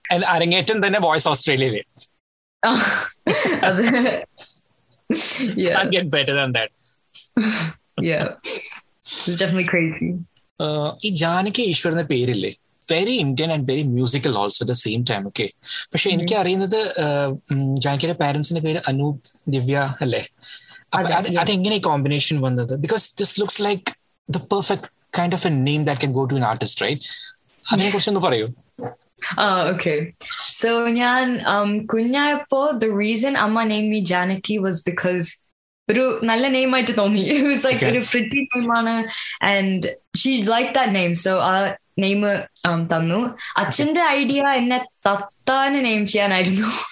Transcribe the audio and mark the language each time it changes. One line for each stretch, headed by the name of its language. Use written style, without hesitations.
Malayalam: And arangetam thanne Voice Australia le.
English: Yeah. Can't get better than that. Yeah. It's definitely crazy.
Malayalam: Ee Janaki Easwar na peru ille.
English: Very Indian and very musical also at the same time. Okay.
Malayalam: പക്ഷേ എനിക്ക് അറിയുന്നത് ജാനകിയുടെ പാരന്റ്സിന്റെ പേര് അനൂപ് ദിവ്യ അല്ലേ? അത് എങ്ങനെ combination വന്നത്?
English: Because this looks like the perfect kind of a name that can go to an artist right.
Malayalam: അതിനെ കുറിച്ച് ഒന്ന് പറയൂ.
English: Okay. So
Malayalam: ഞാൻ കുഞ്ഞായപ്പോ
English: the reason അമ്മ named me Janaki was because
Malayalam: ഒരു നല്ല നെയിം ആയിട്ട് തോന്നി.
English: It was like ഒരു pretty name ആണ് and she liked that name.
Malayalam: So name തന്നു. അച്ഛന്റെ ഐഡിയ എന്നെ തത്താന് നെയിം ചെയ്യാനായിരുന്നു.